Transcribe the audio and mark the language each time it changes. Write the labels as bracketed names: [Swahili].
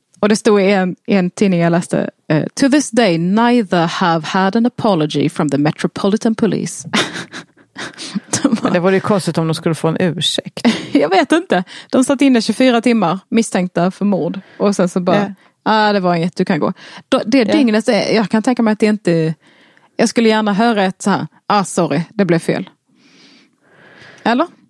[Swedish] Och det stod i en tidning jag läste. [English] To this day, neither have had an apology from the Metropolitan Police. [Swedish] Men det var ju konstigt om de skulle få en ursäkt. Jag vet inte. De satt inne 24 timmar misstänkta för mord. Och sen så bara, det var inget, du kan gå. Det dygnet, jag kan tänka mig att det inte... Jag skulle gärna höra ett så här, sorry, det blev fel. Eller?